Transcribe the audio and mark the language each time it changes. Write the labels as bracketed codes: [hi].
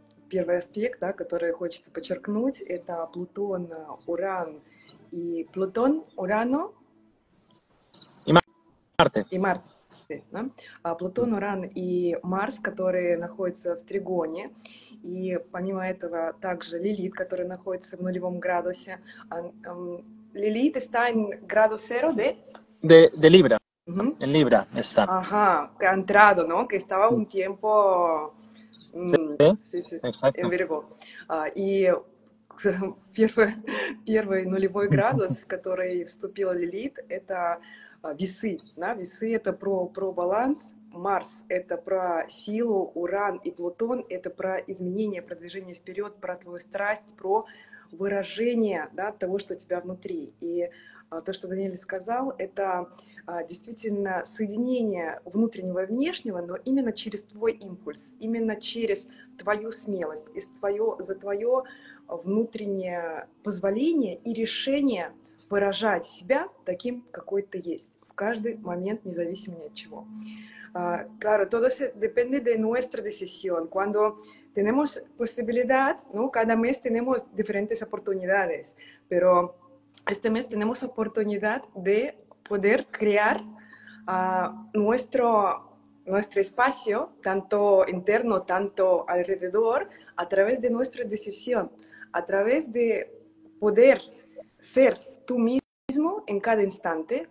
[ru] Первый аспект, да, который хочется подчеркнуть, это Плутон, Уран и Плутон, Урано Марте. и Марс. Да? Плутон, Уран и Марс, которые находятся в тригоне. И помимо этого также Лилит, которая находится в нулевом градусе. [es] Лилит está en grado cero de... De Libra, en Libra está. Ajá, que ha entrado, ¿no? Que estaba un tiempo, sí, en Exacto. Virgo. [ru] Y первый нулевой градус, который вступила Лилит, это весы. Да? Весы это про баланс. Марс это про силу. Уран и Плутон это про изменения, про движение вперед, про твою страсть, про выражение, да, того, что у тебя внутри. И то, что Даниэль сказал, это действительно соединение внутреннего и внешнего, но именно через твой импульс, именно через твою смелость, и за твое внутреннее позволение и решение выражать себя таким, какой ты есть, в каждый момент, независимо ни от чего. [es] Claro, todo depende de nuestra decisión. Cuando tenemos posibilidad, ¿no? Cada mes tenemos diferentes oportunidades, pero este mes tenemos oportunidad de poder crear nuestro espacio, tanto interno, tanto alrededor, a través de nuestra decisión, a través de poder ser tú mismo en cada instante.